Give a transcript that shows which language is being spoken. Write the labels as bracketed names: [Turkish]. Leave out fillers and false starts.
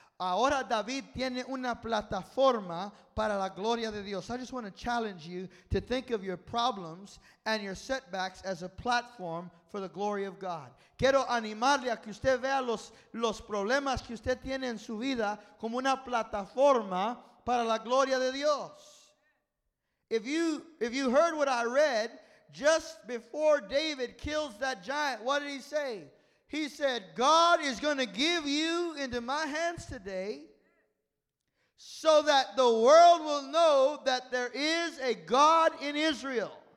[Spanish] Ahora David tiene una plataforma para la gloria de Dios. [English] I just want to challenge you to think of your problems and your setbacks as a platform for the glory of God. [Spanish] Quiero animarle a que usted vea los problemas que usted tiene en su vida como una plataforma para la gloria de Dios. [English] If you heard what I read, just before David kills that giant, what did he say? He said, God is going to give you into my hands today so that the world will know that there is a God in Israel.